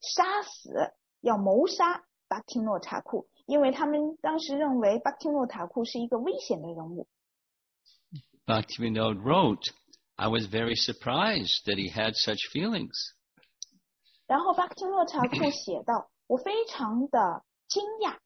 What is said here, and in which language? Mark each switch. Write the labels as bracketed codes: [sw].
[zh] 然后这些长官们就开始向巴基诺塔库忏悔他们曾经要预谋杀死要谋杀巴基诺塔库 因为他们当时认为巴基诺塔库是一个危险的人物。Bhaktivinoda [en] wrote, I was very surprised that he had such feelings. [zh] 然后巴基诺塔库写道, 我非常的惊讶,